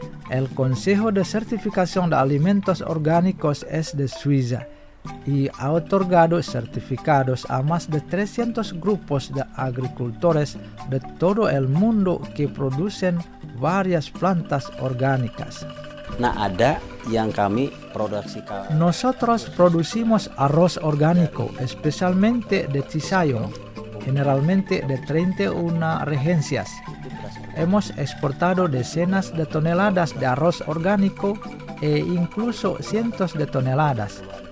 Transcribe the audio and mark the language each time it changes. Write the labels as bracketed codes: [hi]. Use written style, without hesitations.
[es] El Consejo de Certificación de Alimentos Orgánicos es de Suiza y ha otorgado certificados a más de 300 grupos de agricultores de todo el mundo que producen varias plantas orgánicas. [id] Nah, ada yang kami produksi. [es] Nosotros producimos arroz orgánico, especialmente de Chisayong, generalmente de 31 regencias. Hemos exportado decenas de toneladas de arroz orgánico e incluso cientos de toneladas.